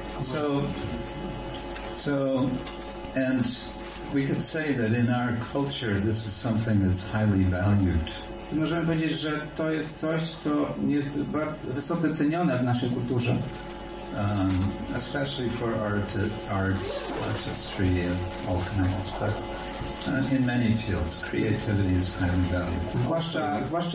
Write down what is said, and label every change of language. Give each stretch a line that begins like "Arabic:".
English: So, and we could say that in our culture, this is something that's highly valued.
Polish: Możemy powiedzieć, że to jest coś, co jest bardzo wysoce cenione w naszej kulturze.
English: Especially for artistry and all kinds, but in many fields, creativity is highly valued.